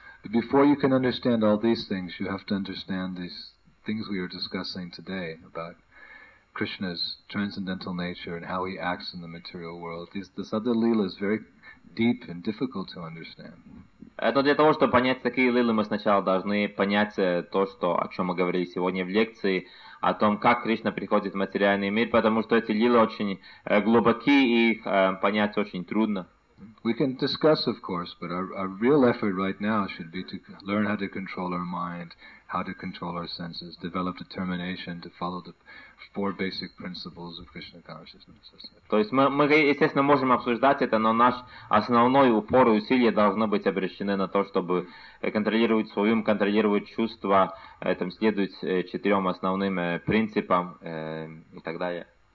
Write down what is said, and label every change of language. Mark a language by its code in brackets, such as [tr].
[en] Before you can understand all these things, you have to understand these things we are discussing today about Krishna's transcendental nature and how he acts in the material world. This other lila is very deep and difficult to understand. [ru] Но для того, чтобы понять такие лилы, мы сначала должны понять то, что, о чем мы говорили сегодня в лекции, о том, как Кришна приходит в материальный мир, потому что эти лилы очень глубоки и их понять очень трудно. [en] We can discuss, of course, but our real effort right now should be to learn how to control our mind, how to control our senses, develop determination to follow the four basic principles of Krishna consciousness. [ru] То есть мы, естественно, можем обсуждать это, но наш основной упор и усилия должны быть обращены на то, чтобы контролировать свой ум, контролировать чувства, там следовать четырем основным принципам и так далее.